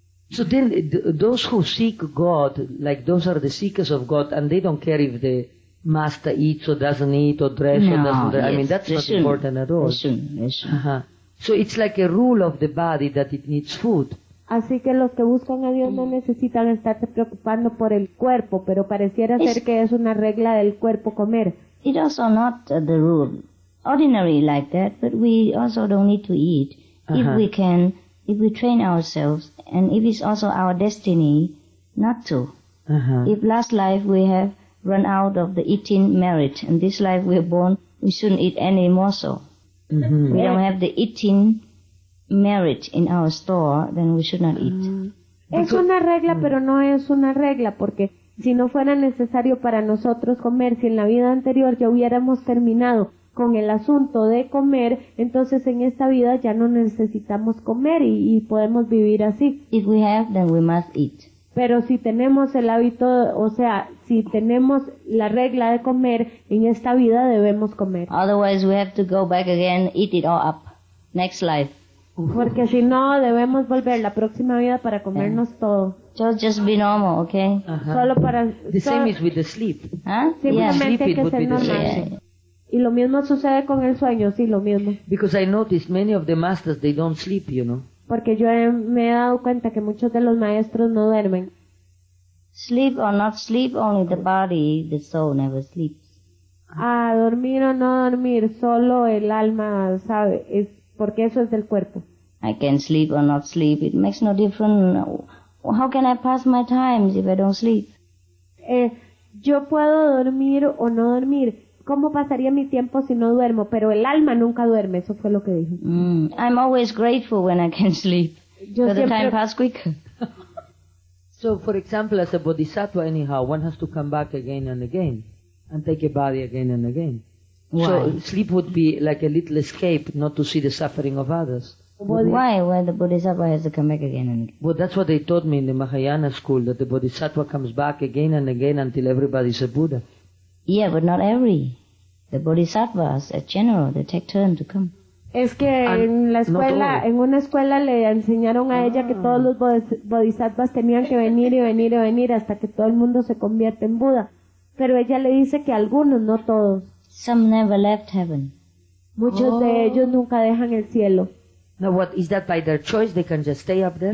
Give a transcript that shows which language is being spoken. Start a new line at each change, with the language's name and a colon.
English: So then those who seek God, like those are the seekers of God, and they don't care if the master eats or doesn't eat or dresses or doesn't dress. Yes. I mean, that's not important at all. Yes. So it's like a rule of the body that it needs food.
Spanish: Así que los que buscan a Dios no necesitan estarse preocupando por el cuerpo, pero pareciera ser que es una regla del cuerpo comer.
English: It also not the rule. Ordinary like that, but we also don't need to eat. If we can, if we train ourselves, and if it's also our destiny not to. If last life we have run out of the eating merit, and this life we're born, we shouldn't eat any more so. We don't have the eating merit in our store, then we should not eat.
Spanish: Es una regla, pero no es una regla, porque si no fuera necesario para nosotros comer, si en la vida anterior ya hubiéramos terminado con el asunto de comer, entonces en esta vida ya no necesitamos comer y podemos vivir así.
English: If we have, then we must eat.
Spanish: Pero si tenemos el hábito, o sea, si tenemos la regla de comer, en esta vida debemos comer.
English: Otherwise we have to go back again, eat it all up. Next life.
Spanish: Porque si no, debemos volver la próxima vida para comernos todo.
English: Just be normal, okay?
Spanish: Solo para...
English: Same is with the sleep.
Spanish: Simplemente que sea normal. Y lo mismo sucede con el sueño, sí, lo mismo.
English: Because I noticed many of the masters, they don't sleep, you know.
Spanish: Porque yo me he dado cuenta que muchos de los maestros no duermen.
English: Sleep or not sleep, only the body, the soul never sleeps.
Spanish: Ah, dormir o no dormir, solo el alma sabe, es porque eso es del cuerpo.
English: I can sleep or not sleep, it makes no difference. How can I pass my time if I don't sleep?
Spanish: Yo puedo dormir o no dormir. ¿Cómo pasaría mi tiempo si no duermo? Pero el alma nunca duerme, eso fue lo que dijo.
English: I'm always grateful when I can sleep.
Spanish: Yo
English: so the time passes quicker. So, for example, as a bodhisattva anyhow, one has to come back again and again and take a body again and again. Why? So sleep would be like a little escape not to see the suffering of others. Why? Why the bodhisattva has to come back again and again? Well, that's what they taught me in the Mahayana school, that the bodhisattva comes back again and again until everybody's a Buddha. Yeah, but not every. The bodhisattvas, in general, they take turn to come.
Spanish: Es que en la escuela, en una escuela le enseñaron a ella que todos los bodhisattvas tenían que venir y venir y venir hasta que todo el mundo se convierte en Buda. Pero ella le dice que algunos, no todos.
English: Some never left heaven.
Spanish: Muchos de ellos nunca dejan el cielo.
English: Now what, is that by their choice they can just stay up there?